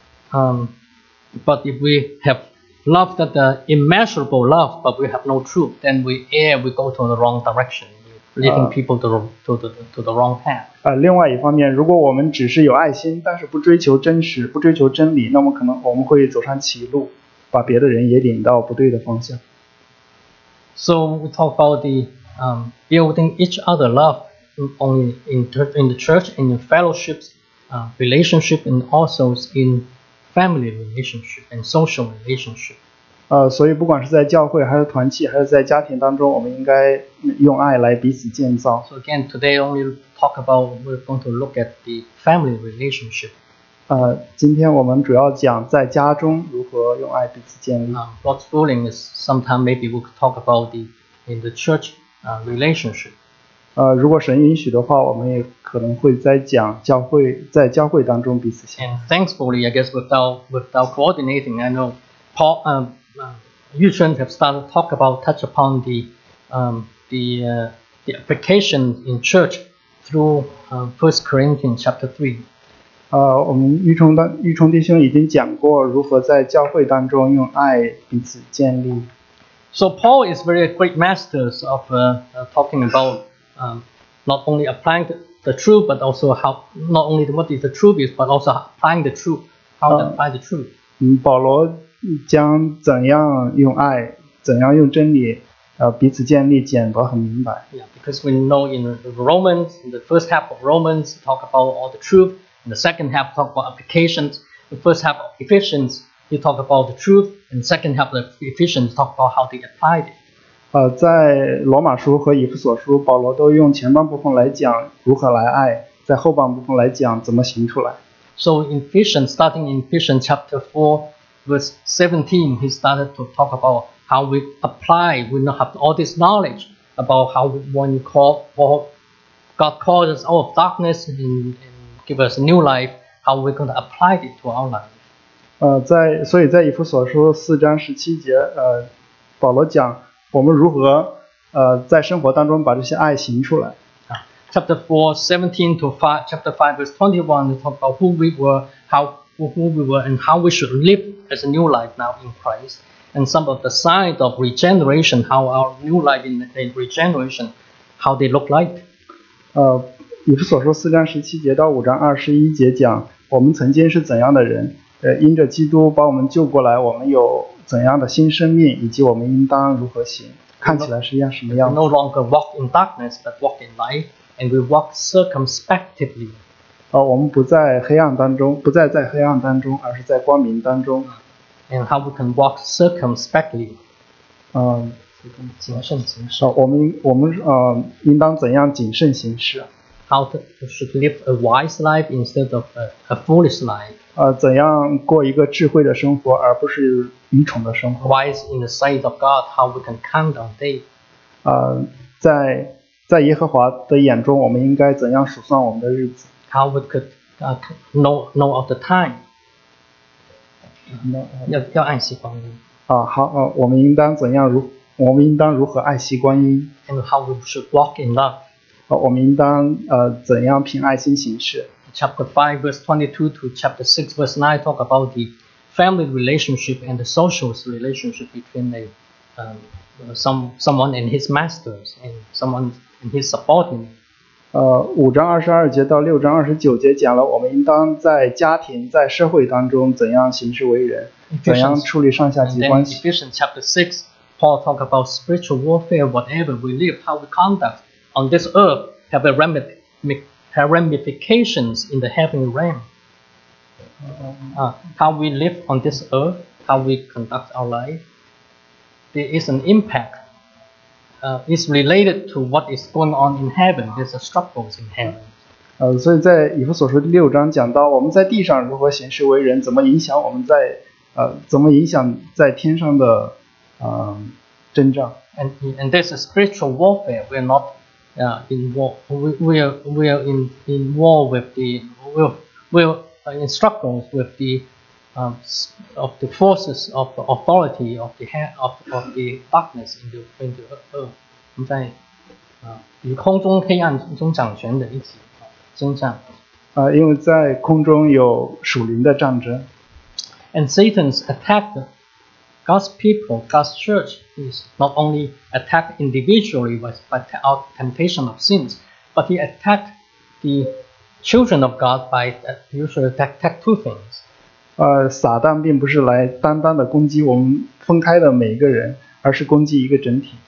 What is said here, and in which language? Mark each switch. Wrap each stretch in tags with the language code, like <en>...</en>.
<en>But if we have love that the immeasurable love, but we have no truth, then we go to the wrong direction, leading people to the wrong path.</en> <zh>另外一方面，如果我们只是有爱心，但是不追求真实，不追求真理，那么可能我们会走上歧路，把别的人也领到不对的方向。</zh> <en>So we talk about the building each other love. Only in the church, in the fellowships, relationship, and also in family relationship and social relationship.</en> <zh>所以不管是在教会还是团契还是在家庭当中，我们应该用爱来彼此建造。</zh> <en>So again, today only talk about we're going to look at the family relationship.</en> <zh>今天我们主要讲在家中如何用爱彼此建立。</zh> <en>What's ruling is sometime maybe we could talk about the in the church relationship.</en> <zh>如果神允许的话，我们也可能会在讲教会，在教会当中彼此相爱。</zh> <en>And thankfully, I guess without coordinating, I know Paul, Yuchun have started talk about touch upon the application in church through First Corinthians chapter 3.</en> <zh>我们玉冲弟兄已经讲过如何在教会当中用爱彼此建立。</zh> <en>So Paul is very great masters of talking about. Not only applying the truth, but also how, not only what is the truth is, but also applying the truth, how to apply the truth.</en> <zh>保罗将怎样用爱，怎样用真理，彼此建立，讲得很明白。</zh> <en>Yeah, because we know in Romans, in the first half of Romans, talk about all the truth, and the second half talk about applications, the first half of Ephesians, he talk about the truth, and the second half of Ephesians talk about how they applied it.</en> <zh>在罗马书和以弗所书，保罗都用前半部分来讲如何来爱，在后半部分来讲怎么行出来。</zh> <en>So in Ephesians, starting in Ephesians chapter 4, verse 17, he started to talk about how we apply, we now have all this knowledge about how when God calls us out of darkness and give us new life, how we're going to apply it to our life.</en> <zh>所以在以弗所书四章十七节，保罗讲我们如何在生活当中把这些爱行出来。</zh> <en>Chapter 4, 17 to 5, chapter 5, verse 21, talk about who we were, who we were, and how we should live as a new life now in Christ, and some of the signs of regeneration, how our new life in regeneration, how they look like.</en> <zh>以弗所书四章十七节到五章二十一节讲我们曾经是怎样的人，因着基督把我们救过来，我们有怎样的新生命，以及我们应当如何行，看起来是一样什么样。</zh> <en>We no longer walk in darkness, but walk in light, and we walk circumspectly.</en> <zh>我们不在黑暗当中，不再在黑暗当中，而是在光明当中。</zh> <en>And how we can walk circumspectly?</en> <zh>谨慎行事。我们应当怎样谨慎行事？</zh> <en>How to should live a wise life instead of a foolish life.</en> <zh>怎样过一个智慧的生活，而不是愚蠢的生活。</zh> <en>Wise in the sight of God, how we can count on day.</en> <zh>在耶和华的眼中，我们应该怎样数算我们的日子。</zh> <en>How we could know of the time.</en> <zh>要爱惜光阴。啊，好，啊，我们应当怎样如？我们应当如何爱惜光阴</zh> <en>？And how we should walk in love.</en> <zh>啊，我们应当怎样凭爱心行事</zh> <en>？Chapter 5 verse 22 to chapter 6 verse 9 talk about the family relationship and the social relationship between someone and his masters and someone and his subordinate.</en> <zh>五章二十二节到六章二十九节讲了我们应当在家庭在社会当中怎样行事为人，怎样处理上下级关系。</zh> <en>Ephesians chapter 6, Paul talk about spiritual warfare, whatever we live, how we conduct on this earth have a ramifications in the heavenly realm. How we live on this earth, how we conduct our life, there is an impact. Is related to what is going on in heaven. There's a struggles in heaven.</en> <zh>所以在以弗所书第六章讲到我们在地上如何行事为人，怎么影响我们在怎么影响在天上的征战。</zh> <en>And there's a spiritual warfare. We're not in war. We're in war with the we're in struggles with the of the forces of the authority of the head of the darkness into earth.</en> <zh>我们在与空中黑暗中掌权的一起征战。因为在空中有属灵的战争。</zh> <en>And Satan's attack God's people, God's church is not only attacked individually by our temptation of sins, but he attacked the children of God by usually attack two things.</en> <zh>撒旦并不是来单单的攻击我们分开的每一个人，而是攻击一个整体。</zh>